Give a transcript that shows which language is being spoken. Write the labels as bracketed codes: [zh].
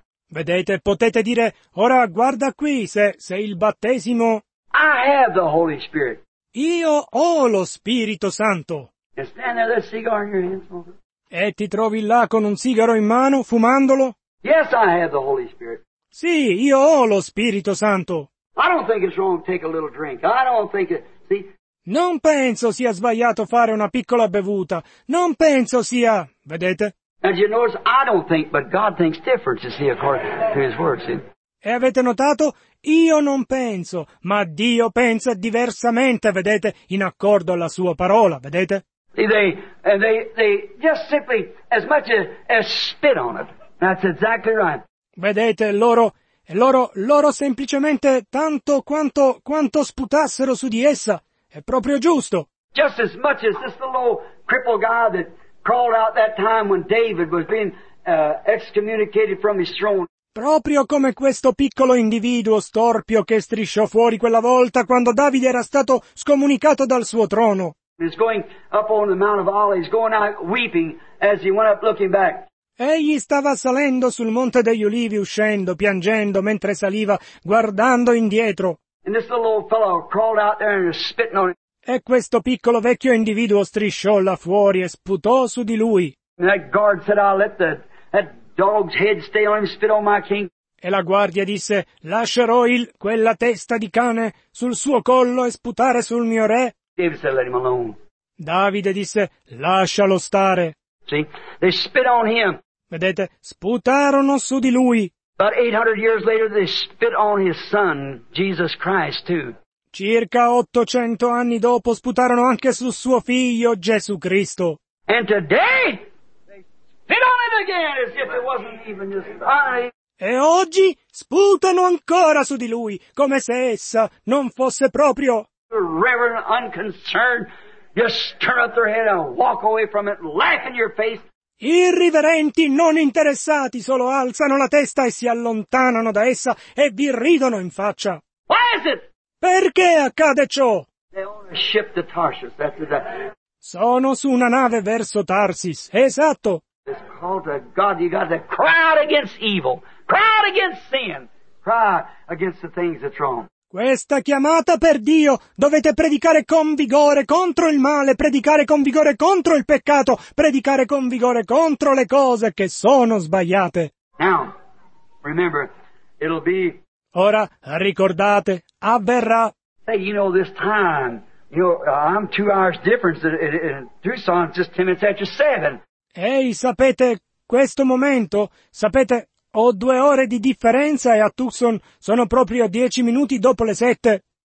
[it] Vedete, potete dire, ora guarda qui, se il battesimo... [en] I have the Holy Spirit. [it] Io ho lo Spirito Santo. [en] And stand there with a cigar in your hand, [it] e ti trovi là con un sigaro in mano, fumandolo? [en] Yes, I have the Holy Spirit. [it] Sì, io ho lo Spirito Santo. [en] I don't think it's wrong to take a little drink. I don't think it... See? [it] Non penso sia sbagliato fare una piccola bevuta. Non penso sia... Vedete? [en] As you notice, I don't think, but God thinks different, you see, according to His Word, see? [it] E avete notato? Io non penso, ma Dio pensa diversamente, vedete, in accordo alla Sua parola, vedete? [en] They just simply as much as spit on it. That's exactly right. [it] Vedete, loro semplicemente tanto quanto sputassero su di essa. È proprio giusto. [en] Just as much as this little old crippled guy that crawled out that time when David was being excommunicated from his throne. [it] Proprio come questo piccolo individuo storpio che strisciò fuori quella volta quando Davide era stato scomunicato dal suo trono. [en] He's going up on the Mount of Olives, going out weeping as he went up looking back. [it] Egli stava salendo sul Monte degli Ulivi, uscendo, piangendo, mentre saliva, guardando indietro. [en] And this little old fellow crawled out there and was spitting on him. [it] E questo piccolo vecchio individuo strisciò là fuori e sputò su di lui. [en] And that guard said, I'll let that dog's head stay on him, spit on my king. [it] E la guardia disse, lascerò quella testa di cane sul suo collo e sputare sul mio re. [en] David said, let him alone. [it] Davide disse, lascialo stare. [en] See? They spit on him. [it] Vedete, sputarono su di lui. [en] About 800 years later, they spit on his son, Jesus Christ, too. [it] Circa 800 anni dopo sputarono anche su suo figlio, Gesù Cristo. [en] And today, they spit on him again, as if it wasn't even his body. [it] E oggi sputano ancora su di lui, come se essa non fosse proprio... [en] Reverend, unconcerned, just turn up their head and walk away from it, laugh in your face. [it] Irriverenti, non interessati, solo alzano la testa e si allontanano da essa e vi ridono in faccia. [en] Why is it? [it] Perché accade ciò? [en] They own a ship to Tarsus. That's exactly. [it] Sono su una nave verso Tarsis. Esatto. [en] It's called a God. You got to cry out against evil, cry out against sin, cry against the things that's wrong. [it] Questa chiamata per Dio, dovete predicare con vigore contro il male, predicare con vigore contro il peccato, predicare con vigore contro le cose che sono sbagliate. [en] Now, remember, it'll be... [it] Ora, ricordate, avverrà. [en] Hey, you know this time, you know, I'm 2 hours difference in Tucson, just 10 minutes after 7. [it] Ehi, sapete, questo momento, sapete... Ho 2 ore di differenza e a Tucson sono proprio 10 minuti dopo le 7.